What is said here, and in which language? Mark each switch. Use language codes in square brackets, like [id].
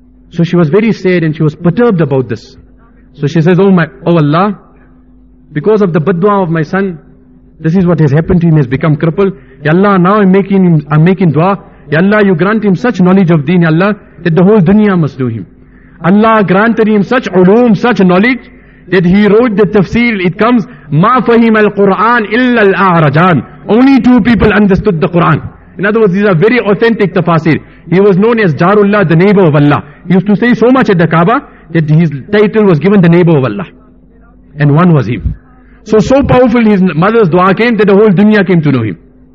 [en] So she was very sad and she was perturbed about this. So she says, Oh Allah, because of the baddua of my son, this is what has happened to him, he has become crippled. Ya Allah, now I'm making dua Ya Allah, you grant him such knowledge of deen, Ya Allah, that the whole dunya must do him. Allah granted him such ulum, such knowledge, that he wrote the tafsir. It comes, [ar] مَا فَهِمَ الْقُرْآنِ إِلَّا الْأَعْرَجَانِ. [en] Only two people understood the Qur'an. In other words, these are very authentic tafsir. He was known as Jarullah, the neighbor of Allah. He used to say so much at the Kaaba, that his title was given the neighbor of Allah. And one was him. So powerful his mother's dua came, that the whole dunya came to know him.